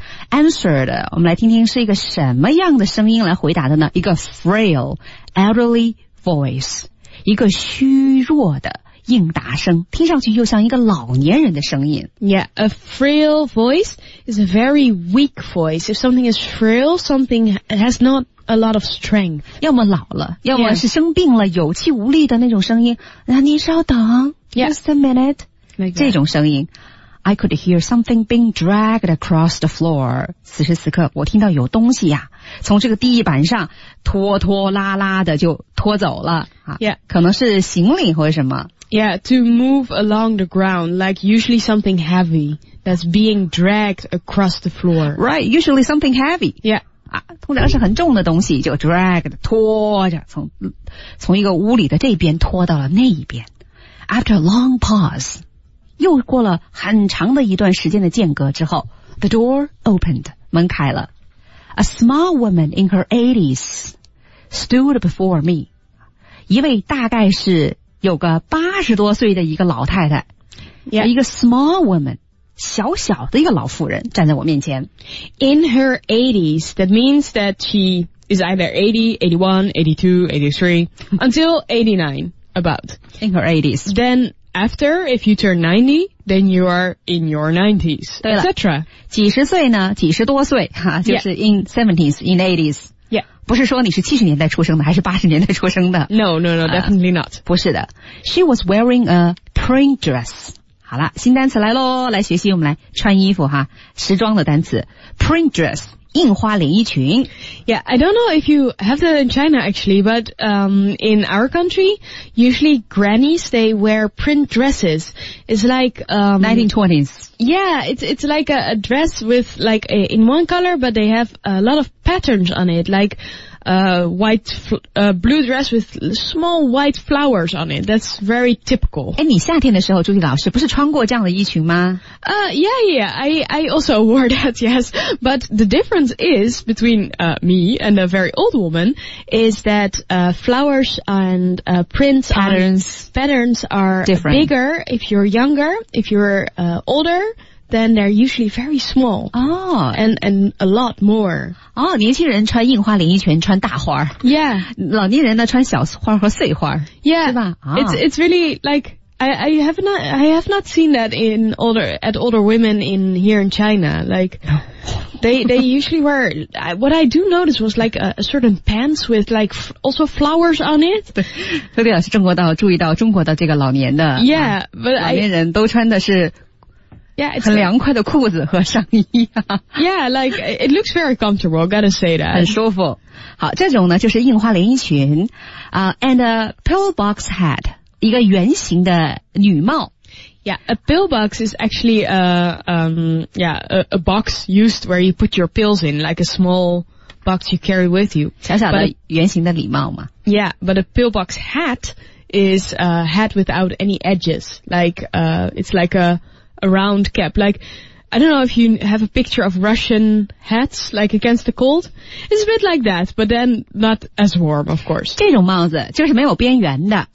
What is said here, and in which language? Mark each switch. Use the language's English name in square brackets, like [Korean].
[Chinese] Answered 我们来听听是一个什么样的声音来回答的呢一个 [English] frail elderly voice [Chinese] 一个虚弱的应答声听上去又像一个老年人的声音 [English] Yeah, a frail voice is a very weak voice If something is frail, something has notA lot of strength. [Chinese] 要么老了，要么是生病了，有气无力的那种声音。那您稍等 ， [English] just a minute， [Chinese] 这种声音。 [English] I could hear something being dragged across the floor. [Chinese] 此时此刻，我听到有东西呀，从这个地板上拖拖拉拉的就拖走了。 [English] Yeah， [Chinese] 可能是行李或者什么。 [English] Yeah， to move along the ground, like usually something heavy that's being dragged across the floor. Right， usually something heavy. Yeah. [Chinese] 通常是很重的东西就 dragged 拖着从一个屋里的这边拖到了那一边 [English] After a long pause [Chinese] 又过了很长的一段时间的间隔之后 [English] The door opened [Chinese] 门开了 [English] A small woman in her 80s stood before me [Chinese] 一位大概是有个八十多岁的一个老太太、 [English] yeah. [Chinese] 一个 [English] small woman [Chinese] 小小的一个老妇人站在我面前 [English] In her 80s That means that she is either 80, 81, 82, 83 Until 89 about In her 80s Then after if you turn 90 Then you are in your 90s etc. [Chinese] 几十岁呢几十多岁哈，就是 in、 [English] 70s In 80s、 yeah. [Chinese] 不是说你是70年代出生的还是80年代出生的 [English] No, definitely not [Chinese] 不是的 [English] She was wearing a print dress [Chinese] 好了新单词来咯来学习我们来穿衣服哈时装的单词 print dress 印花连衣裙 [English] Yeah, I don't know if you have that in China actually but in our country usually grannies they wear print dresses it's like 1920s Yeah, it's like a dress with like a, in one color but they have a lot of patterns on it likewhite, blue dress with small white flowers on it. That's very typical. [Chinese] 诶你夏天的时候朱迪老师不是穿过这样的衣裙吗 [English] I also wore that, yes. But the difference is between, me and a very old woman is that, flowers and, prints patterns. Patterns are、 Different. Bigger if you're younger, if you're, older. Then they're usually very small. Oh, and a lot more. [Chinese] Oh, 年轻人穿印花连衣裙穿大花。 [English] Yeah. [Chinese] 老年人呢穿小花和碎花。 [English] Yeah. [Chinese] 是吧、 [English] oh. It's really like, I have not seen that in older women in here in China. Like, they usually wear, what I do notice was like a certain pants with like also flowers on it. [Chinese] 对对老师中国到注意到中国的这个老年的。 [English] Yeah, but [Chinese] 老年人都穿的是 [English] Yeah, it's [Chinese] 很凉快的裤子和上衣、 [English] 啊、Yeah, like, it looks very comfortable, gotta say that. [Chinese] 很舒服。好这种呢就是印花连衣裙、 [English] and a pillbox hat, [Chinese] 一个圆形的女帽。 [English] Yeah, a pillbox is actually a box used where you put your pills in, like a small box you carry with you. [Chinese] 小小的圆形的礼帽嘛。 [English] Yeah, but a pillbox hat is a hat without any edges, like, it's like a round cap, like, I don't know if you have a picture of Russian hats, like against the cold. It's a bit like that, but then not as warm, of course. [Chinese] 这种帽子就是没有边缘的。